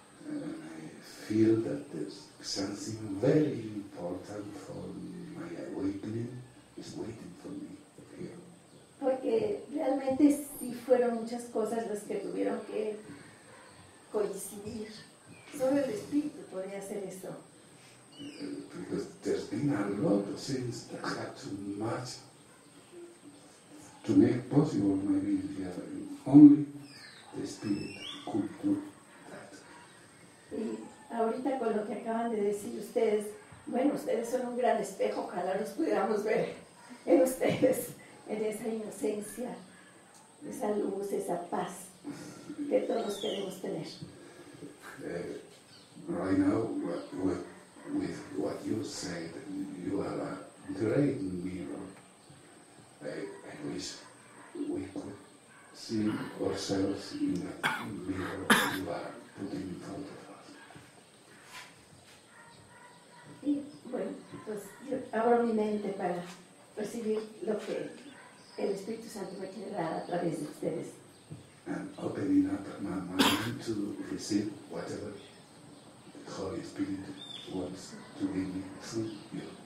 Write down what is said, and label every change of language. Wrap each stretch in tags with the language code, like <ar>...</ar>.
<en>I feel that there's something very important for my awakening is waiting for me.</en> <es>Porque realmente sí fueron muchas cosas las que tuvieron que coincidir. Solo el Espíritu podía hacer eso.</es> <en>Because there's been a lot of things that had to match to make possible my being here. Only the Spirit could do that.</en> <es>Y ahorita con lo que acaban de decir ustedes, bueno, ustedes son un gran espejo, ojalá los pudiéramos ver en ustedes. En esa inocencia, esa luz, esa paz que todos queremos tener.</es> <en>Right now, with what you said, you are a great mirror. I wish we could see ourselves in the mirror you are putting in front of us.</en> <es>Y bueno, pues yo abro mi mente para recibir lo que el Espíritu Santo me quiere dar a través de ustedes.</es> <en>And opening up my mind to receive whatever the Holy Spirit wants to give me through you.</en>